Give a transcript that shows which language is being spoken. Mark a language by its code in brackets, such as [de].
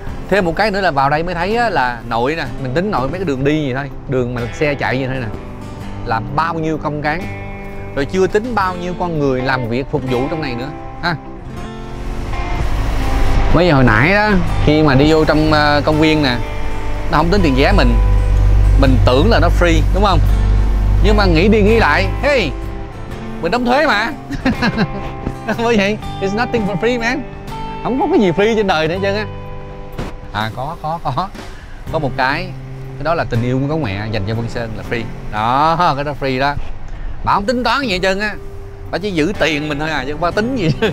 [vi] Thêm một cái nữa là vào đây mới thấy là nội nè, mình tính nội mấy cái đường đi gì thôi, đường mà xe chạy như thế nè, là bao nhiêu công cán, rồi chưa tính bao nhiêu con người làm việc phục vụ trong này nữa ha. Mấy giờ hồi nãy đó, khi mà đi vô trong công viên nè, nó không tính tiền vé mình tưởng là nó free đúng không, nhưng mà nghĩ đi nghĩ lại, hey, mình đóng thuế mà. Bởi vậy, [en] it's nothing for free man. [vi] Không có cái gì free trên đời nữa chứ á. À có. Có một cái cái đó là tình yêu của mẹ dành cho Vân Sơn là free đó, cái đó free đó. Bà không tính toán gì hết trơn á, bà chỉ giữ tiền mình thôi à, chứ bà tính gì.